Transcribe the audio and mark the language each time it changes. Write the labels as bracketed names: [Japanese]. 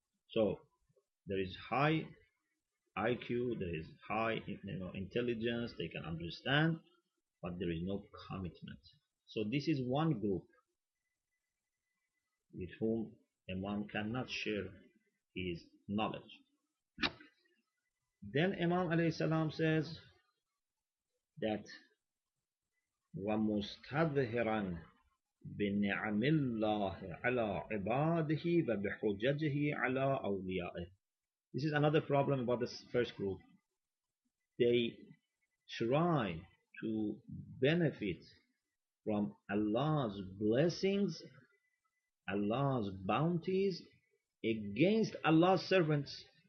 [English] So there is high IQ, there is high intelligence, they can understand, but there is no commitment. So this is one group with whom Imam cannot share his knowledge. Then Imam alayhi salam says that [Arabic] وَمُسْتَذْهِرًا بِنِعَمِ اللَّهِ عَلَىٰ عِبَادِهِ وَبِحُجَجِهِ عَلَىٰ أَوْلِيَائِهِ. [English] This is another problem about this first group. They try to benefit from Allah's blessings, Allah's bounties against Allah's servants.